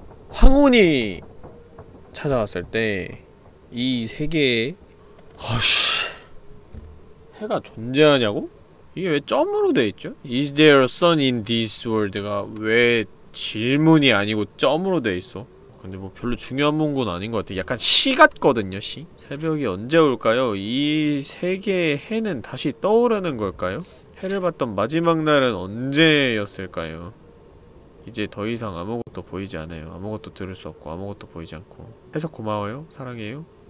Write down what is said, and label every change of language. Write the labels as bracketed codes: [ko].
[ko] 황혼이 찾아왔을 때 이 세계에 아씨 해가 존재하냐고? 이게 왜 점으로 돼있죠? [en] Is there a sun in this world [ko] 가 왜 질문이 아니고 점으로 돼있어? 근데 뭐 별로 중요한 문구는 아닌 것 같아. 약간 시 같거든요, 시? 새벽이 언제 올까요? 이 세계의 해는 다시 떠오르는 걸까요? 해를 봤던 마지막 날은 언제였을까요? 이제 더 이상 아무것도 보이지 않아요. 아무것도 들을 수 없고 아무것도 보이지 않고. 해석 고마워요. 사랑해요.